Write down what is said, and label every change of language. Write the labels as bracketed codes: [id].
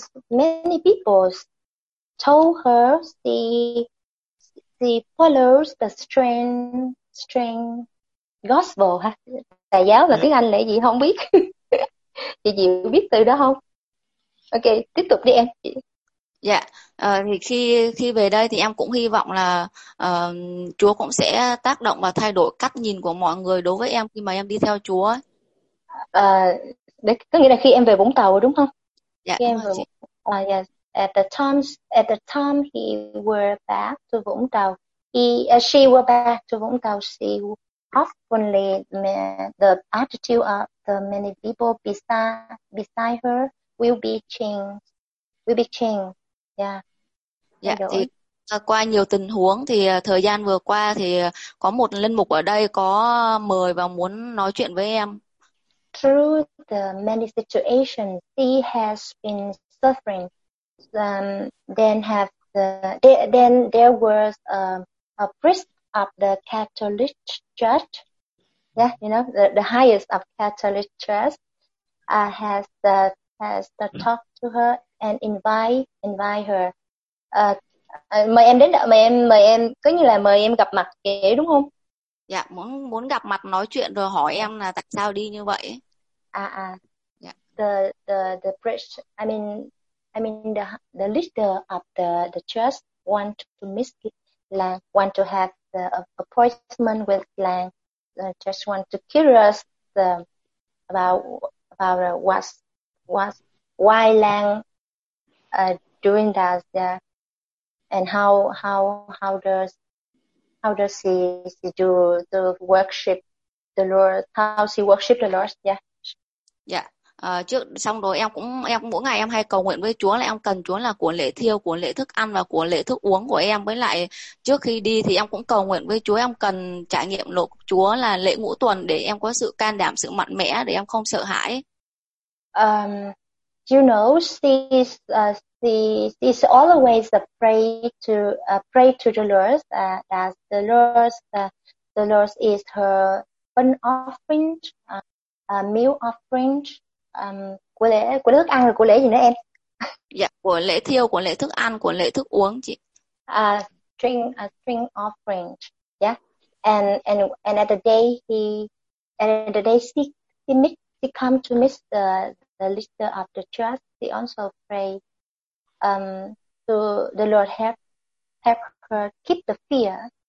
[en] Many people told her she follows the strange gospel. Ha? [vi] Tà giáo là tiếng Anh lẽ gì không biết. Chị Diệu biết từ đó không? Ok, tiếp tục đi em. Dạ, thì khi về đây thì em cũng hy vọng là Chúa cũng sẽ tác động và thay đổi cách nhìn của mọi người đối với em khi mà em đi theo Chúa. Có nghĩa là khi em về Vũng Tàu đúng không? Dạ. Khi em về, [en] at the time he were back to Vũng Tàu, she were back to Vũng Tàu, she oftenly the attitude of the many people beside her will be changed. [vi] Thì qua nhiều tình huống thì thời gian vừa qua thì có một linh mục ở đây có mời và muốn nói chuyện với em. [en] Through the many situations he has been suffering, then there was a priest of the Catholic Church. Yeah, you know, the highest of Catholic Church has talked to her and invite her. [vi] Mời em đến, mời em, có như là mời em gặp mặt kể đúng không? Dạ, muốn gặp mặt nói chuyện rồi hỏi em là tại sao đi như vậy. À. Dạ. [en] the priest, I mean the leader of the church want to meet Lang, want to have the appointment with Lang, just want to curious the about why Lang doing that there, and how does he do the worship the Lord, how she worship the Lord, yeah. Yeah. [vi] Trước xong rồi em cũng mỗi ngày em hay cầu nguyện với Chúa là em cần Chúa là của lễ thiêu, của lễ thức ăn và của lễ thức uống của em, với lại trước khi đi thì em cũng cầu nguyện với Chúa em cần trải nghiệm lộ Chúa là lễ ngũ tuần để em có sự can đảm, sự mạnh mẽ để em không sợ hãi. [en] You know, she's always pray to the Lord that the Lord is her burnt offering, meal offering. [vi] Của lễ thức ăn rồi của lễ gì nữa em? Dạ, của lễ thiêu, của lễ thức ăn, của lễ thức uống chị. [en] String offering, yeah. And at the day she come to meet the leader of the church. She also pray to the Lord help her keep the fear.